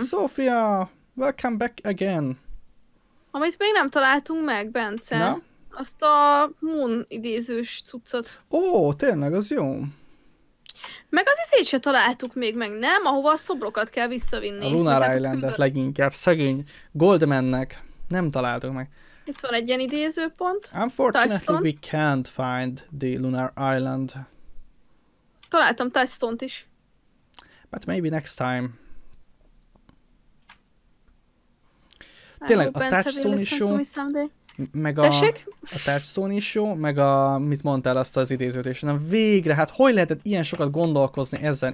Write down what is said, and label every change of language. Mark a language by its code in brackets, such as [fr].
[en] Sophia, welcome back again. [hu] Amit még nem találtunk meg, Bence. Na? Azt a Moon idézős cuccot. Ó, tényleg, az jó. Meg az izét se találtuk még meg, nem? Ahova a szobrokat kell visszavinni. A Lunar Islandet leginkább, szegény Goldmannek nem találtuk meg. Itt van egy ilyen idézőpont. [en] Unfortunately we can't find the Lunar Island. [hu] Találtam Touchstone-t is. [en] But maybe next time. [hu] Tényleg a Touchstone is jó, meg a Touchstone is jó, meg a mit mondtál azt az idézőt, és nem végre, hát hogy lehetett ilyen sokat gondolkozni ezen?